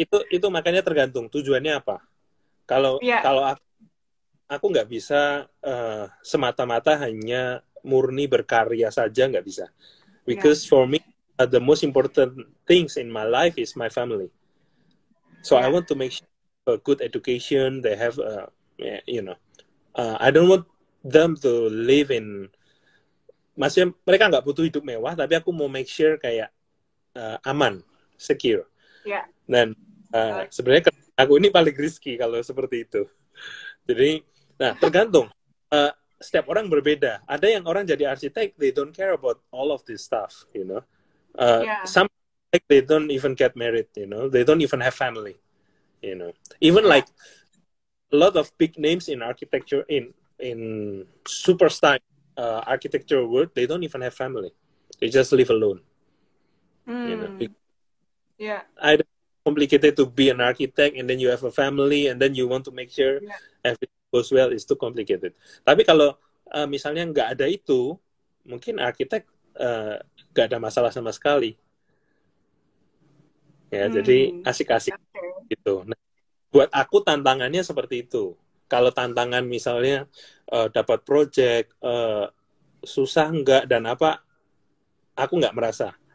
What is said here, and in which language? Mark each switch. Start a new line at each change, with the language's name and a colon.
Indonesian: Itu makanya tergantung tujuannya apa. Kalau aku nggak bisa semata-mata hanya murni berkarya saja, nggak bisa.
English: Because for me, the most important things in my life is my family. So I want to make sure a good education, they have, you know. I don't want them to live in...
Indonesian: Maksudnya, mereka nggak butuh hidup mewah, tapi aku mau make sure kayak aman, secure. Dan sebenarnya aku ini paling risky kalau seperti itu. Jadi... Nah, tergantung. Setiap orang berbeda. Ada yang orang jadi arsitek,
English: they don't care about all of this stuff, you know. Some, like, they don't even get married, you know. They don't even have family, you know. Even like a lot of big names in architecture, in superstar architecture world, they don't even have family. They just live alone, you know. I don't know, complicated to be an architect and then you have a family and then you want to make sure everything goes well, is too complicated.
Indonesian: Tapi kalau misalnya nggak ada itu, mungkin arsitek nggak ada masalah sama sekali. Ya, jadi asik-asik gitu. Nah, buat aku tantangannya seperti itu. Kalau tantangan misalnya dapat project susah nggak dan apa, aku nggak merasa.